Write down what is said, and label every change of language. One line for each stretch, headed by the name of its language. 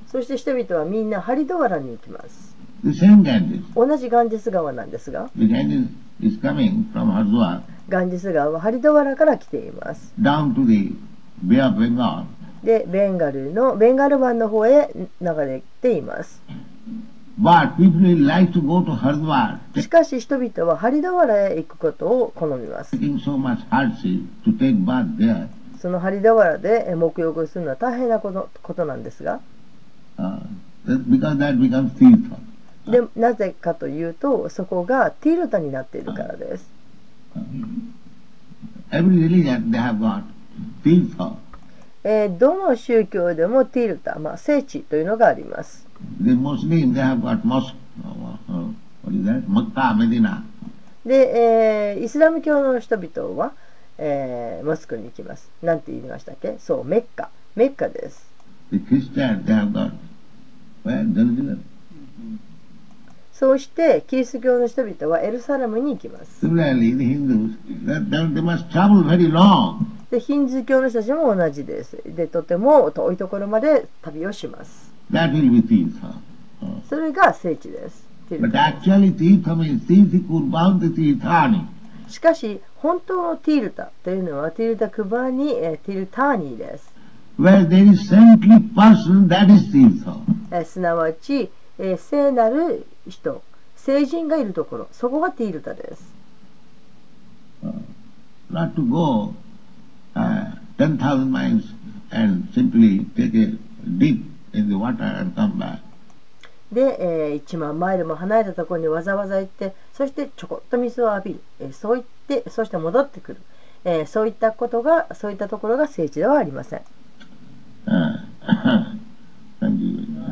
Japanese: そして人々はみんなハリドワラに行きます。
English: The same Ganges.
Japanese: 同じガンジス川なんですが、
English: The Ganges is coming from Haridwar.
Japanese: ガンジス川はハリドワラから来ています。
English: Down to the Bay of Bengal.
Japanese: で、ベンガル湾の方へ流れています。
English: But people would like to go to Haridwar.
Japanese: しかし人々はハリドワラへ行くことを好みます。
English: Taking so much hardship to take bath there.
Japanese: そのハリドワラで沐浴するのは大変なことなんですが。
English: Because that becomes Tirtha.
Japanese: で、なぜかというと、そこがティルタになっているからです。
English: Every religion they have got Tirtha.
Japanese: どの宗教でもティルタ、まあ、聖地というのがあります。
English: The Muslims, they have got mosque. What is that? Makkah, Medina.
Japanese: で、イスラム教の人々は、モスクに行きます。なんて言いましたっけ。そう、メッカです。
English: The Christians, they have got Jerusalem.
Japanese: そうしてキリスト教の人々はエルサレムに行きます。
English: Similarly, the Hindus, they must travel very long
Japanese: で、ヒンズー教の人たちも同じです。で、とても遠いところまで旅をします。
English: That will be Tirtha.
Japanese: それが聖地です。
English: But actually, Tirtha means Tirtha Kurbani Tirthani.
Japanese: しかし、本当のティルタというのはティルタクバーニ、ティルターニです。
English: Where there is saintly person, that is Tirtha.
Japanese: すなわち、聖なる人、聖人がいるところ、そこがティルタです。
English: Not to go. 10,000 miles and simply take a dip in the water and come back.
Japanese: で、1万マイルも離れたところにわざわざ行って、そしてちょこっと水を浴び、そう言って、そして戻ってくる。そういったことが、そういったところが聖地ではありません。
English: Thank you.